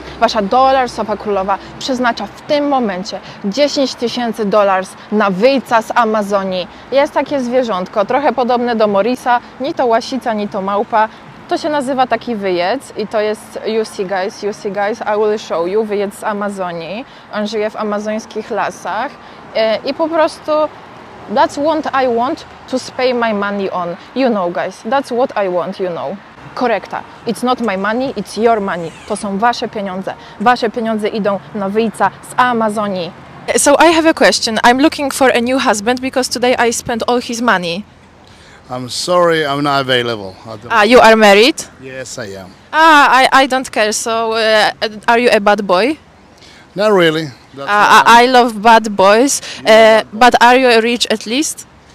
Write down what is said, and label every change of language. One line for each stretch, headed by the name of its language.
Polish: Wasza Dollarsowa Królowa przeznacza w tym momencie 10 tysięcy dolarów na wyjca z Amazonii. Jest takie zwierzątko, trochę podobne do Maurice'a, ni to łasica, ni to małpa. To się nazywa taki wyjec i to jest,
English: you see guys, I will show you,
Polish: wyjec z Amazonii. On żyje w amazońskich lasach i po prostu...
English: That's what I want to spend my money on. You know, guys. That's what I want, you know.
Polish: Korekta.
English: It's not my money, it's your money.
Polish: To są wasze pieniądze. Wasze pieniądze idą na wyjca z Amazonii.
English: So I have a question. I'm looking for a new husband because today I spent all his money. I'm sorry, I'm not available. You are married? Yes, I am. I don't care. So are you a bad boy? Not really. I love bad boys, but are you rich at least?